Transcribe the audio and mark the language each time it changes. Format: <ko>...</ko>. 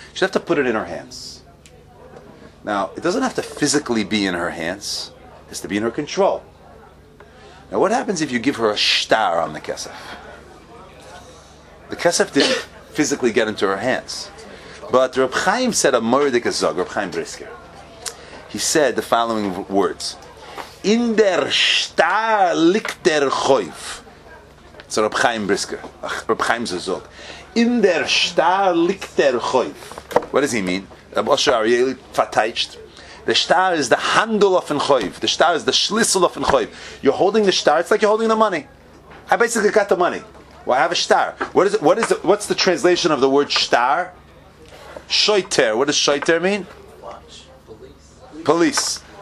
<en>She'd have to put it in her hands. Now, it doesn't have to physically be in her hands. It has to be in her control. Now, what happens if you give her a shtar on the Kesef? The Kesef didn't physically get into her hands. But Reb Chaim said a Mordek Azog, Reb Chaim Brisker. He said the following words.</en> <yi>In der shtar liegt der choyv.</yi> <en>It's Reb Chaim Brisker. Reb Chaim's Azog.</en> <yi>In der shtar liegt der choyv.</yi> <en>What does he mean? Reb Osher Ariel Fateicht. The shtar is the handle of an choyv. The shtar is the shlissel of an choyv. You're holding the shtar, it's like you're holding the money. I basically got the money. Well, I have a shtar. What's the translation of the word shtar? Shoiter. What does shoiter mean? Watch. Police.</en>